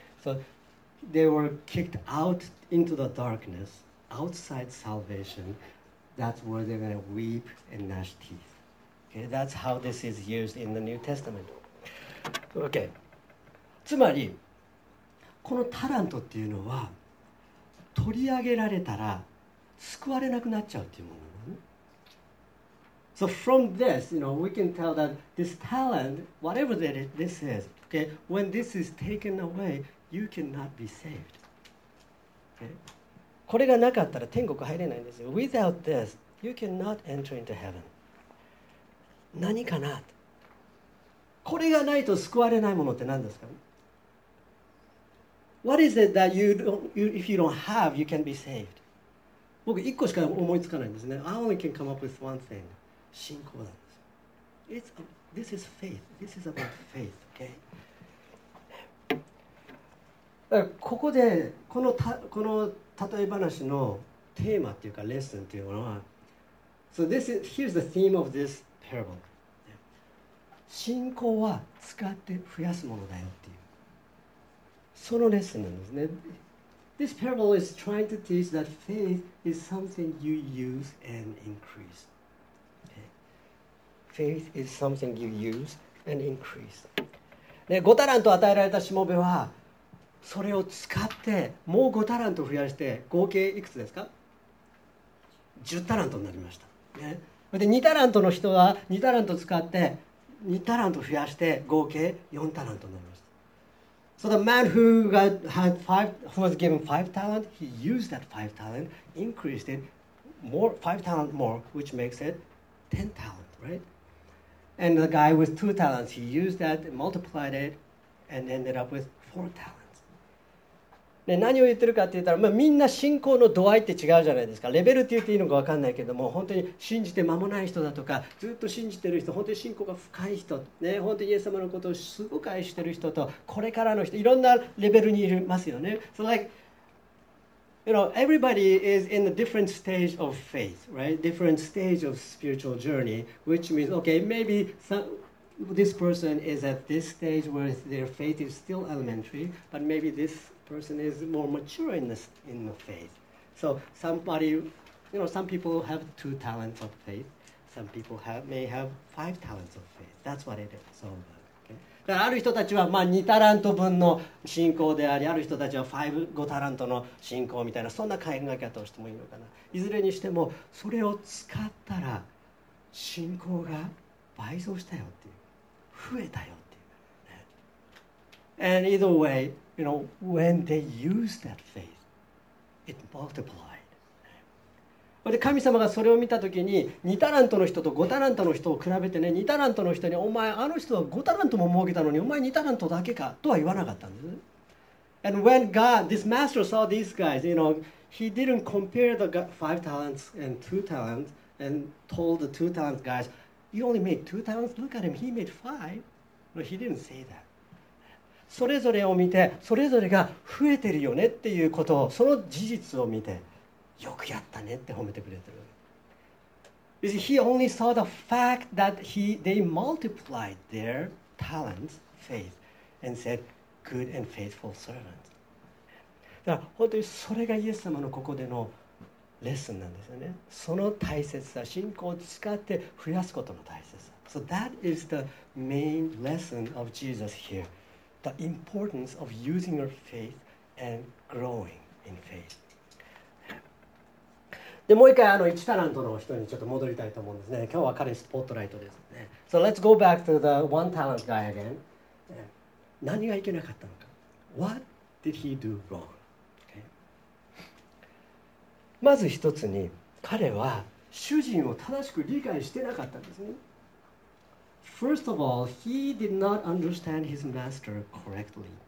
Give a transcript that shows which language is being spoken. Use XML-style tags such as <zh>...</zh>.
<en>So they were kicked out into the darkness, outside salvation. That's where they're going to weep and gnash teeth. Okay, that's how this is used in the New Testament. Okay.</en> <ja>つまり、このタラントっていうのは、取り上げられたら、救われなくなっちゃうっていうものね。</ja> <en>So from this, you know, we can tell that this talent, whatever that it, this is, okay, when this is taken away, you cannot be saved. Okay?</en> <ja>これがなかったら天国入れないんですよ。</ja> <en>Without this, you cannot enter into heaven.</en> <ja>何かな? これがないと救われないものって何ですか?</ja> <en>What is it that you don't, you, if you don't have, you can be saved?</en> <ja>僕1個しか思いつかないんですね。</ja> <en>I only can come up with one thing.</en> <ja>信仰なんです。</ja> <en>This is faith. This is about faith. Okay?</en> <ja>ここでこの例え話のテーマっていうかレッスンっていうのは、</ja> <en>So this is, here's the theme of this parable.</en> <ja>信仰は使って増やすものだよっていう。そのレッスンなんですね。</ja> <en>This parable is trying to teach that faith is something you use and increase. Okay. Faith is something you use and increase.</en> <ja>で、5タラント与えられたしもべは、それを使ってもう5タラント増やして合計いくつですか？ 10タラントになりました、ね、で2タラントの人は2タラント使って2タラント増やして合計4タラントになりました。</ja> <en>So the man who, got, had five, who was given 5 talent, he used that 5 talent, increased it more, 5 talent more, which makes it 10 talent, right? And the guy with 2 talents, he used that, multiplied it, and ended up with 4 talent.</en> <ja>何を言ってるかって言ったら、まあ、みんな信仰の度合いって違うじゃないですか。レベルって言っていいのか分かんないけども、本当に信じて間もない人だとか、ずっと信じてる人、本当に信仰が深い人、ね、本当にイエス様のことをすごく愛してる人と、これからの人、いろんなレベルにいますよね。</ja> <en>So like, you know, everybody is in a different stage of faith, right? Different stage of spiritual journey, which means, okay, maybe some, this person is at this stage where their faith is still elementary, but maybe thisperson is more mature in the faith. So somebody, you know, some people have two talents of faith. Some people have, may have five talents of faith. That's what it is all about. Okay?</en> <ja>ある人たちはまあ2タラント分の信仰であり、ある人たちは5タラントの信仰みたいな、そんな考え方をしてもいいのかな。いずれにしてもそれを使ったら信仰が倍増したよっていう、増えたよっていう、ね。</ja> <en>And either way,You know, when they use that faith, it multiplied.</en> <ja>で神様がそれを見たときに、2タラントの人と5タラントの人を比べてね、2タラントの人に、お前あの人は5タラントも儲けたのに、お前2タラントだけかとは言わなかったんです。</ja> <en>And when God, this master saw these guys, you know, he didn't compare the 5 talents and 2 talents and told the 2 talents guys, you only made 2 talents, look at him, he made 5. No, he didn't say that.</en> <ja>それぞれを見て、それぞれが増えてるよねっていうことを、その事実を見て、よくやったねって褒めてくれてる。</ja> <en>He only saw the fact that they multiplied their talents, faith, and said, good and faithful servant.</en> <ja>だから本当にそれがイエス様のここでのレッスンなんですよね。その大切さ、信仰を使って増やすことの大切さ。</ja> <en>So that is the main lesson of Jesus here. The importance of using your faith and growing in faith.</en> <ja>でもう一回あの1タラントの人にちょっと戻りたいと思うんですね。今日は彼スポットライトですね。</ja> <en>So let's go back to the one talent guy again.</en> <ja>何がいけなかったのか。</ja> <en>What did he do wrong? Okay.</en> <ja>まず一つに、彼は主人を正しく理解してなかったんですね。</ja> <en>First of all, he did not understand his master correctly.</en>